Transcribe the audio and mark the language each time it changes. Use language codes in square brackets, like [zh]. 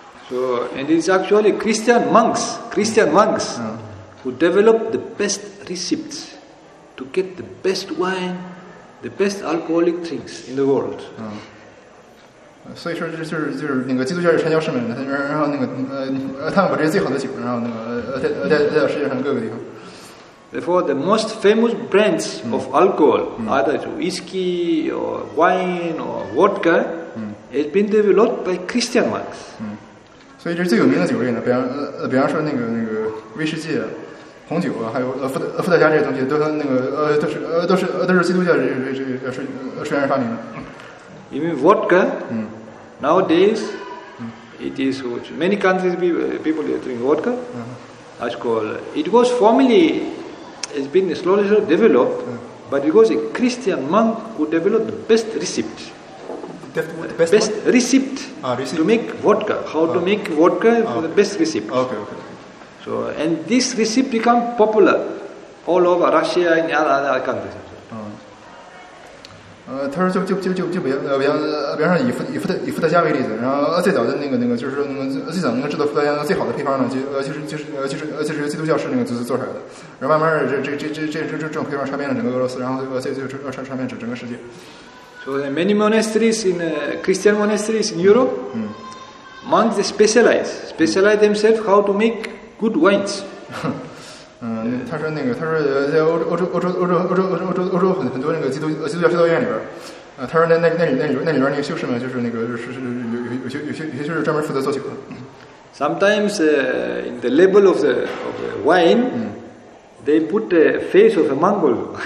[en] So it's actually Christian monks who developed the best recipes to get the best wine, the best alcoholic drinks in the world. [zh] 所以说就是那个基督教的传教士们，然后那个他们把这些最好的酒，然后那个带到世界上各个地方。 [en] Therefore, the most famous brands of alcohol, either whiskey or wine or vodka, has been developed by Christian monks. [zh] 所以这是最有名的酒类呢，比方说那个威士忌、红酒啊，还有伏特加这些东西，都是都是基督教这些发明的。 [en] Even vodka, nowadays, it is which many countries people drink vodka. It was formerly, it's been slowly developed, but it was a Christian monk who developed the best recipe. The best recipe to make vodka. To make vodka for the best recipe. Okay. So, and this recipe became popular all over Russia and other countries. [zh] 他说比方说以伏特加为例子，然后最早的那个就是说最早能制作伏特加最好的配方呢，就是基督教是做出来的，然后慢慢这种配方传遍了整个俄罗斯，然后传遍整个世界。 [en] So there are many monasteries in Christian monasteries in Europe. Monks specialize themselves how to make good wines. [zh] 他说他说在欧洲很多那个基督教修道院里边，他说那里边那个修士们就是专门负责做酒的。 [en] Sometimes in the label of the wine, they put the face of a mango.